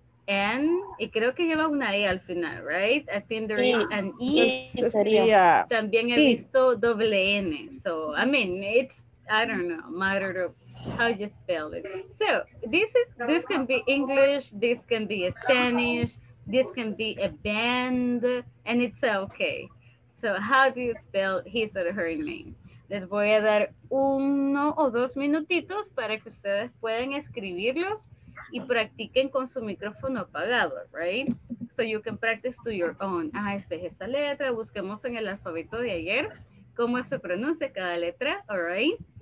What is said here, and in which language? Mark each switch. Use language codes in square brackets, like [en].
[es] N, y creo que lleva una E al final, right? [en] I think there is an E. [es] Sería. También he visto doble N. [en] So, I mean, it's, I don't know, matter of how you spell it. So, this can be English, this can be Spanish, this can be a band, and it's okay. So, how do you spell his or her name? [es] Les voy a dar uno o dos minutitos para que ustedes puedan escribirlos y practiquen con su micrófono apagado, right? [en] So you can practice to your own. [es] Ah, esta es esta letra. Busquemos en el alfabeto de ayer cómo se pronuncia cada letra, all right?